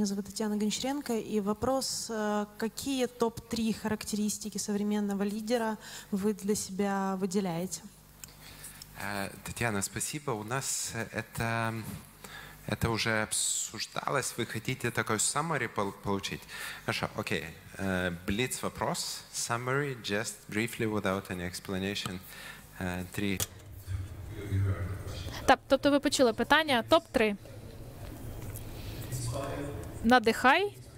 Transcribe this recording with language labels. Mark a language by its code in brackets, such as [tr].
[ru] Меня зовут Татьяна Гончаренко. И вопрос, какие топ-3 характеристики современного лидера вы для себя выделяете? Татьяна, спасибо. У нас это уже обсуждалось. Вы хотите такой summary получить? Хорошо, окей. Блиц вопрос. [en] Summary, just briefly, without any explanation. [ru] Три. [uk] Тобто ви почули питання. Топ-3. Надихай.